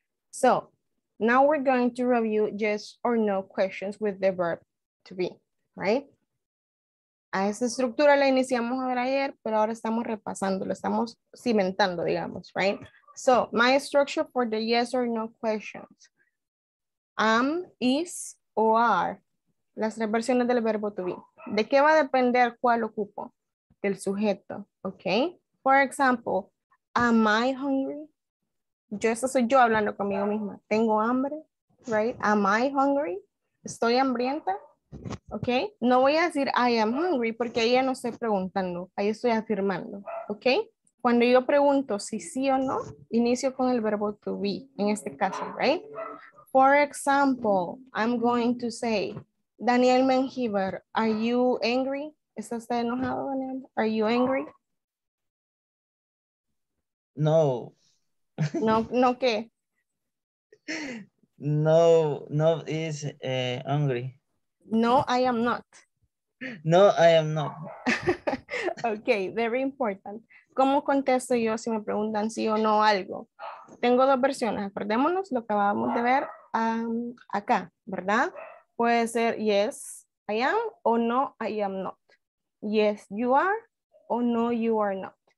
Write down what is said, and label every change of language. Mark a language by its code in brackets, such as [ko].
[en] So, now we're going to review yes or no questions with the verb to be, right? [es] A esa estructura la iniciamos a ver ayer, pero ahora estamos repasando, lo estamos cimentando, digamos, right? [en] So, my structure for the yes or no questions. [es] Am, is, o are. Las tres versiones del verbo to be. ¿De qué va a depender cuál ocupo? Del sujeto, okay? [en] For example, am I hungry? [es] Yo, eso soy yo hablando conmigo misma. Tengo hambre, right? [en] Am I hungry? [es] Estoy hambrienta, okay? No voy a decir [en] I am hungry [es] porque ahí ya no estoy preguntando. Ahí estoy afirmando, okay? Cuando yo pregunto si sí o no, inicio con el verbo to be, en este caso, right? [en] For example, I'm going to say, Daniel Menjivar, are you angry? [es] ¿Está usted enojado, Daniel? [en] Are you angry? No. [es] No, no, ¿qué? [en] No, no is hungry. No, I am not. No, I am not. Okay, very important. [es] ¿Cómo contesto yo si me preguntan sí o no algo? Tengo dos versiones. Acordémonos lo que acabamos de ver acá, ¿verdad? Puede ser [en] yes, I am, o no, I am not. Yes, you are, o no, you are not.